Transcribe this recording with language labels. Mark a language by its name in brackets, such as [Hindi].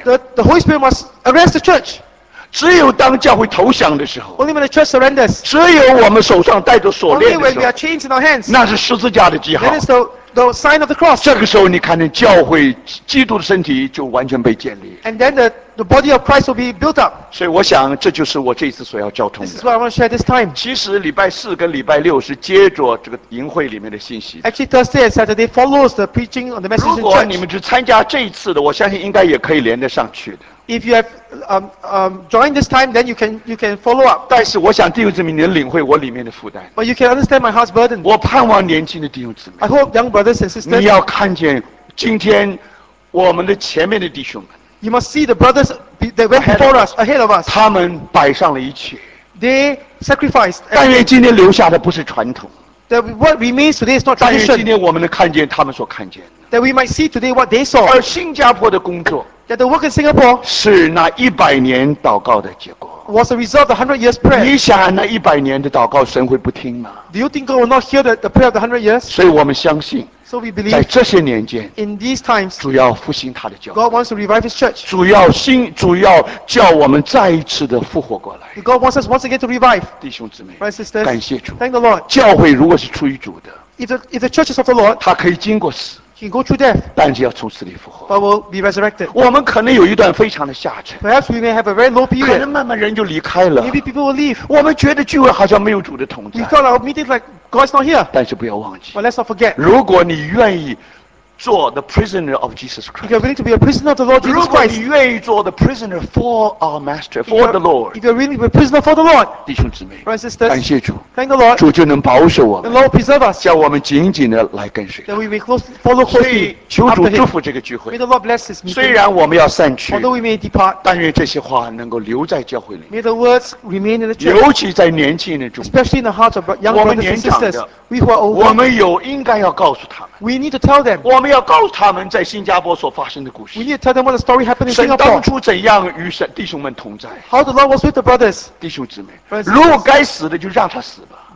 [English] The Holy Spirit must arrest the church。 [Chinese] 只有当教会投降的时候 [English] ，Only when the church surrenders。 [Chinese] 只有我们手上带着锁链的时候 [English] ，Only when we are chains in our hands。 [Chinese] 那是十字架的记号。 [English] That is the sign of the cross。 [Chinese] 这个时候，你看见教会基督的身体就完全被建立。 [English] And then the body of Christ will be built up. [Chinese] 所以我想这就是我这次所要交通的。 [English] This is what I want to share this time. [Chinese] 其实礼拜四跟礼拜六是接着这个营会里面的信息。 [English] Actually, Thursday and Saturday follows the preaching on the message in church. [Chinese] 如果你们去参加这一次的，我相信应该也可以连得上去的。 [English] If you have joined this time, then you can follow up. [Chinese] 但是我想弟兄姊妹你能领会我里面的负担。 [English] But you can understand my heart's burden. [Chinese] 我盼望年轻的弟兄姊妹。 [English] I hope young brothers and sisters. [Chinese] 你要看见今天我们的前面的弟兄们。 [English] You must see the brothers that went before us, ahead of us. [Chinese] 他们摆上了一切。 [English] They sacrificed. [Chinese] 但愿今天留下的不是传统。 [English] That what remains today is not tradition. [Chinese] 但愿今天我们能看见他们所看见的。 [English] That we might see today what they saw. [Chinese] 而新加坡的工作。 [English] That the work in Singapore [Chinese] 是那一百年祷告的结果。 [English] Was a result of the 100 years prayer. [Chinese] 你想那一百年的祷告，神会不听吗 [English] ？Do you think God will not hear the prayer of the 100 years? [Chinese] 所以我们相信。 [English] So we believe. [Chinese] 在这些年间 [English] ，In these times, [Chinese] 主要复兴他的教会。 [English] God wants to revive His church. [Chinese] 主要叫我们再一次的复活过来。 [English] God wants us once again to revive. [Chinese] 弟兄姊妹 [English] ，Brothers and sisters, [Chinese] 感谢主。 [English] Thank the Lord. [Chinese] 教会如果是出于主的 [English] ，If the church is of the Lord, [Chinese] 他可以经过死。 [English] He can go through death. [Chinese] 但是要从死里复活。 [English] But we'll be resurrected. [Chinese] 我们可能有一段非常的下沉。 [English] Perhaps we may have a very low period. [Chinese] 可能慢慢人就离开了。 [English] Maybe people will leave. [Chinese] 我们觉得聚会好像没有主的同在。 [English] We thought our meeting like God's not here. [Chinese] 但是不要忘记。 [English] But let's not forget. [Chinese] 如果你愿意做 [English] the prisoner of Jesus Christ. If you're willing to be a prisoner of the Lord Jesus Christ. [Chinese] 如果你愿意做 [English] the prisoner for our master, for the Lord. If you're willing to be a prisoner for the Lord. [Chinese] 弟兄姊妹 [English] Brothers and sisters. [Chinese] 感谢主 [English] Thank the Lord. [Chinese] 主就能保守我们 [English] The Lord preserve us. [Chinese] 叫我们紧紧地来跟随 [English] That we may follow closely. [Chinese] 所以求主祝福这个聚会 [English] May the Lord bless this meeting. [Chinese] 虽然我们要散去 [English] Although we may depart. [Chinese] 但愿这些话能够留在教会里 [English] May the words remain in the church. [Chinese] 尤其在年轻人中 [English] Especially in the hearts of young brothers and sisters. We who are older. [Chinese] 我们有应该要告诉他们 [English] We need to tell them. [Chinese] 我们要告诉他们在新加坡所发生的故事。 [English] We need to tell them what the story happened in Singapore. [Chinese] 神当初怎样与神弟兄们同在 [English] ？How the Lord was with the brothers. [Chinese] 弟兄姊妹，如果该死的就让他死吧。